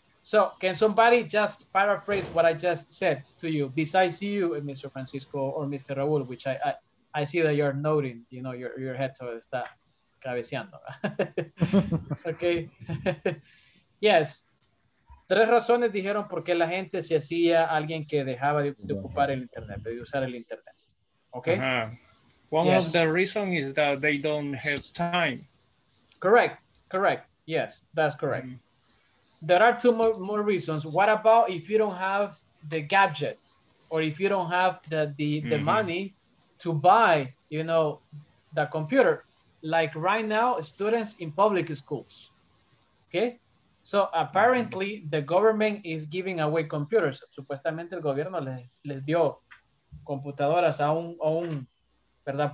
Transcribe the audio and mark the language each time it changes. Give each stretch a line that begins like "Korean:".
English: So can somebody just paraphrase what I just said to you, besides you and Mr. Francisco or Mr. Raul, which I see that you're nodding, you know, your head towards that cabeceando. Okay. Yes.
Spanish: Tres razones dijeron por qué la gente se hacía alguien que dejaba de ocupar el internet, de usar el internet.
English: Okay. Uh-huh. One yes. of the reasons is that they don't have time. Correct. Correct. Yes, that's correct. Mm. There are two more reasons. What about if you don't have the gadgets or if you don't have the money to buy, you know, the computer? Like right now, students in public schools. Okay? So apparently, the government is giving away computers.
Spanish: Supuestamente, el gobierno les dio computadoras a un ¿verdad?